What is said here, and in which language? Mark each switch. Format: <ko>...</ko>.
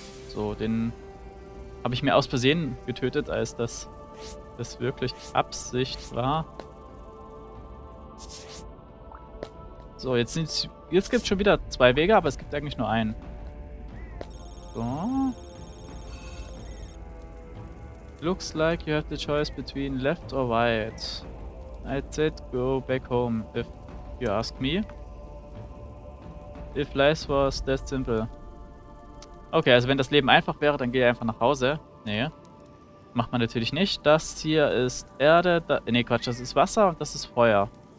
<de>So, den habe ich mir aus Versehen getötet, als das wirklich Absicht war. So, jetzt gibt es schon wieder zwei Wege, aber es gibt eigentlich nur einen. So.</de> <en>Looks like you have the choice between left or right. I said go back home, if you ask me. If life was that simple.</en> <de>Okay, also wenn das Leben einfach wäre, dann gehe ich einfach nach Hause. Nee. Macht man natürlich nicht. Das hier ist Erde. Das ist Wasser und das ist Feuer.</de>